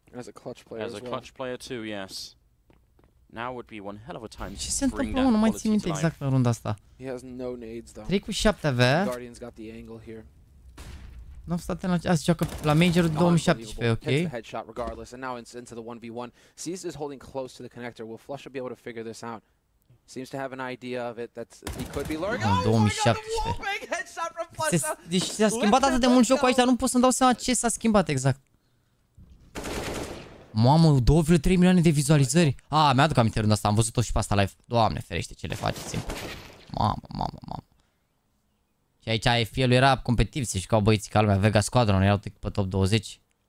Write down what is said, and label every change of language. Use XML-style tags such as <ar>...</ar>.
<en>As a clutch player as well. As a clutch player too, yes. Now would be one hell of a time.</en> <ro>Ce se întâmplă, mă, nu mai țin minte exact la runda asta.</ro> <en>He has no nades though.</en> <ro>3 cu 7 avea.</ro> <en>Guardian's got the angle here.</en> <ro>N-am stat în acea, se joacă la Major 2017, ok.</ro> <en>Hits the headshot regardless and now into the 1v1. Cease is holding close to the connector. Will Flusha be able to figure this out? Seems to have an idea of it that he could be lurking.</en> <ro>Oh, 2017. Deci s-a schimbat atât de mult jocul aici, dar nu pot să-mi dau seama ce s-a schimbat exact. Mamă, 2,3 milioane de vizualizări. A, mi-aduc aminte runda asta, am văzut-o și pe asta live. Doamne ferește, ce le faceți. Mamă, mamă, mamă. Și aici FPL-ul era competitiv, se jucau băieții ca lumea. Vega Squadron erau pe top 20.</ro>